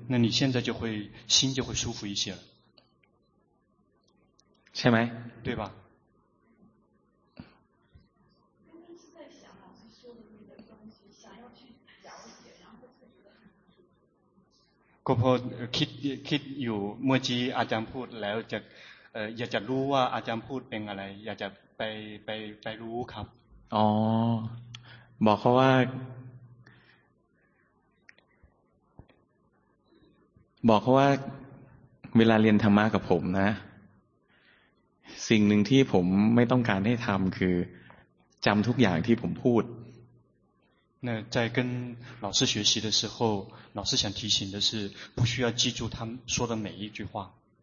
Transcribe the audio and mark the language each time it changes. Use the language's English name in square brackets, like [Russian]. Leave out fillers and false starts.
[Chinese] 那你现在就会心就会舒服一些了 [Thai] ใช่ไหม [Chinese] 对吧 [Thai] ก็พอคิดอยู่เมื่อกี้อาจารย์พูดแล้วจะอยากจะรู้ว่าอาจารย์พูดเป็นอะไรอยากจะไปรู้ครับ อ๋อบอกเขาว่าเวลาเรียนธรรมะกับผมนะสิ่งหนึ่งที่ผมไม่ต้องการให้ทำคือจำทุกอย่างที่ผมพูด [Chinese] 那在跟老师学习的时候老师想提醒的是不需要记住他们说的每一句话